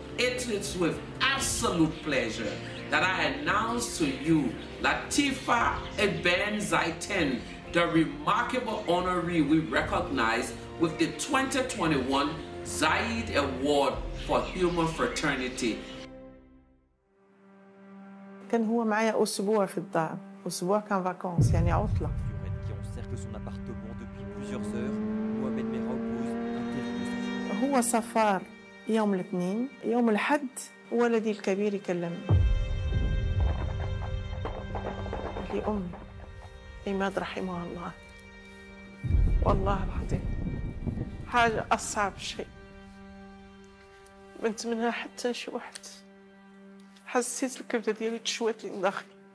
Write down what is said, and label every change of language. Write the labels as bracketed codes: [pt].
[en] It is with absolute pleasure that I announce to you Latifa Eben Zaiten, the remarkable honoree we recognize with the 2021 Zayed Award for Human Fraternity. [ar] كان هو معايا أسبوع في الدار، أسبوع كان vacances يعني عطلة. [fr] Qui encercle son appartement depuis plusieurs heures, Mohamed Merah oppose [ar] هو صفار يوم الاثنين يوم الحد ولدي الكبير يكلمني لي أمي إماد رحمها الله والله العظيم حاجة أصعب شيء بنت منها حتى شي واحد حسيت الكبدة ديالي تشويت لي من داخلي